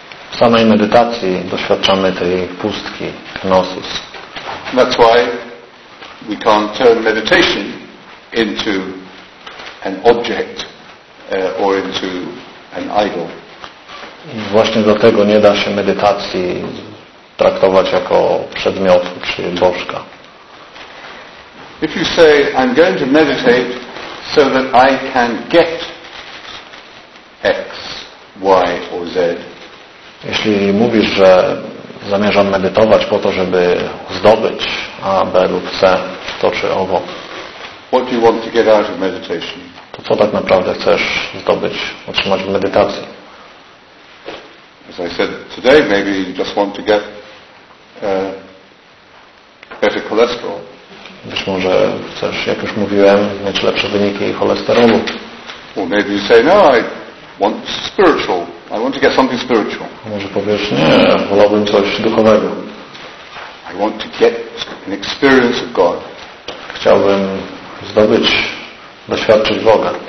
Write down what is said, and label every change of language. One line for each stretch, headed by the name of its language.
Polish: W samej medytacji doświadczamy tej pustki, kenosis.
English: That's why we can't turn meditation into an object or into an idol.
Polish: I właśnie dlatego nie da się medytacji traktować jako przedmiotu czy bożka.
English: If you say, I'm going to meditate so that I can get X, Y or Z.
Polish: Jeśli mówisz, że zamierzam medytować po to, żeby zdobyć A, B lub C, to czy owo.
English: What do you want to get out of meditation?
Polish: To co tak naprawdę chcesz zdobyć, otrzymać w medytacji?
English: As I said today, maybe you just want to get better cholesterol.
Polish: Być może chcesz, jak już mówiłem, mieć lepsze wyniki cholesterolu.
English: Or maybe you say, no, I want spiritual. I want to get something spiritual.
Polish: Może powiesz, nie, wolałbym coś duchowego.
English: I want to get an experience of God.
Polish: Chciałbym zdobyć, doświadczyć Boga.